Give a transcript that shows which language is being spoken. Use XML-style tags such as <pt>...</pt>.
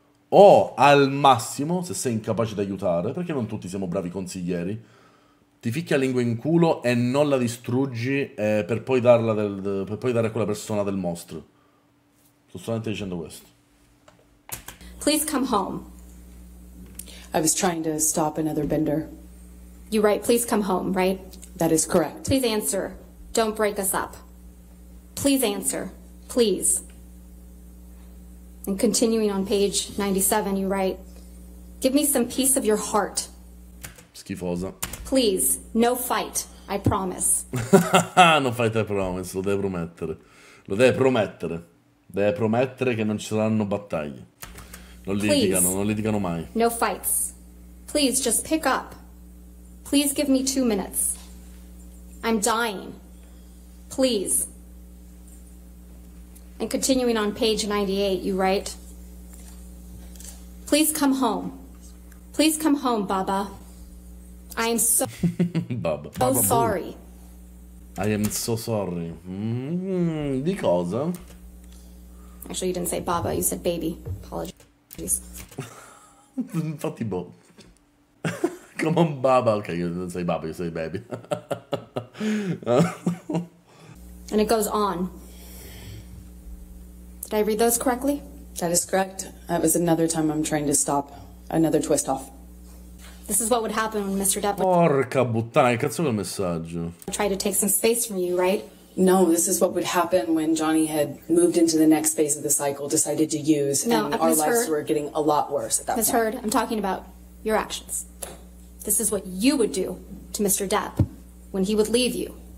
<it>O al massimo, se sei incapace di aiutare, perché non tutti siamo bravi consiglieri, ti ficchi la lingua in culo e non la distruggi per poi darla per poi dare a quella persona del mostro. Sto solamente dicendo questo.</it> <en>Please come home. I was trying to stop another bender. You're right, please come home, right? That is correct. Please answer. Don't break us up. Please answer. Please. And continuing on page 97, you write, give me some peace of your heart.</en> <it>Schifosa.</it> <en>Please, no fight, I promise. No fight, I promise,</en> <it>lo deve promettere. Lo deve promettere. Deve promettere che non ci saranno battaglie. Non litigano, non litigano mai.</it> <en>No fights. Please, just pick up. Please give me 2 minutes. I'm dying. Please. And continuing on page 98, you write, please come home. Please come home, Baba. I am so... Baba. So sorry. I am so sorry.</en> <it>Di cosa?</it> <en>Actually, you didn't say Baba. You said baby. Apologies.</en> <it>Infatti, boh.</it> <en>Come on,</en> <it>Baba.</it> <en>Okay, you didn't say Baba. You say baby. And it goes on. Did I read those correctly? That is correct. That was another time I'm trying to stop. Another twist off. This is what would happen when Mr. Depp...</en> <it>Porca puttana, che cazzo è quel messaggio?</it> <en>...try to take some space from you, right? No, this is what would happen when Johnny had moved into the next phase of the cycle, decided to use, no, and our lives were getting a lot worse at that point. Ms. Heard, I'm talking about your actions. This is what you would do to Mr. Depp when he would leave you.</en>